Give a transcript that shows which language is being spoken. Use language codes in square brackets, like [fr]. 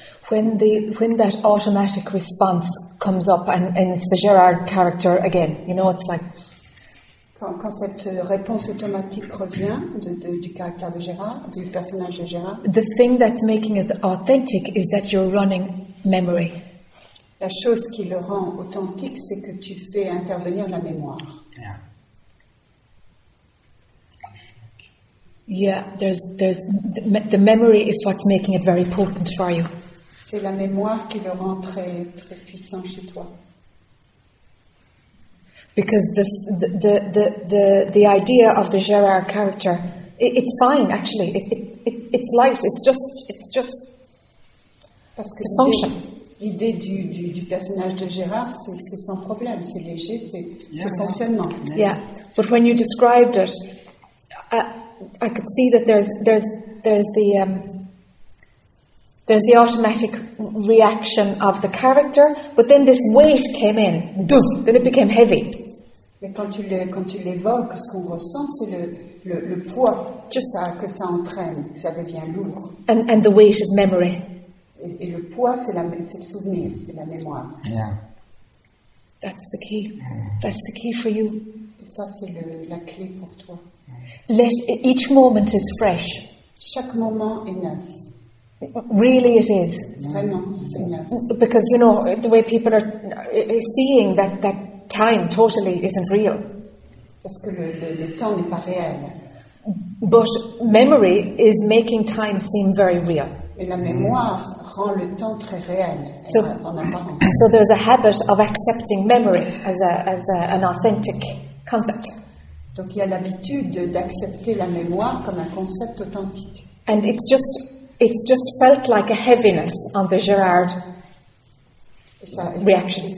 [en] When that automatic response comes up, and it's the Gerard character again, you know, it's like [fr] quand cette réponse automatique revient du caractère de Gérard, du personnage de Gérard. [en] The thing that's making it authentic is that you're running memory. [fr] La chose qui le rend authentique, c'est que tu fais intervenir la mémoire. [en] Yeah, there's the memory is what's making it very potent for you. [fr] C'est la mémoire qui le rend très très puissant chez toi. [en] Because the idea of the Gerard character, it's fine actually. It's light. It's just [fr] parce que function. L'idée du personnage de Gérard, c'est sans problème, c'est léger, c'est fonctionnement. [en] Yeah, but when you described it, I could see that there's the automatic reaction of the character, but then this weight came in. Then it became heavy. [fr] Mais quand tu l'évoques, ce qu'on ressent, c'est le poids que ça entraîne, que ça devient lourd. [en] And the weight is memory. [fr] Et le poids, c'est le souvenir, c'est la mémoire. [en] Yeah. That's the key. That's the key for you. [fr] Et ça, c'est la clé pour toi. [en] Let each moment is fresh. [fr] Chaque moment est neuf. [en] Really, it is. [fr] Vraiment, c'est neuf. [en] Because you know the way people are seeing that time totally isn't real. [fr] Parce que le temps n'est pas réel. [en] But memory is making time seem very real. [fr] Et la mémoire rend le temps très réel. [en] So there's a habit of accepting memory as an authentic concept. [fr] Donc il y a l'habitude d'accepter la mémoire comme un concept authentique. [en] And it's just felt like a heaviness on the Gerard reaction.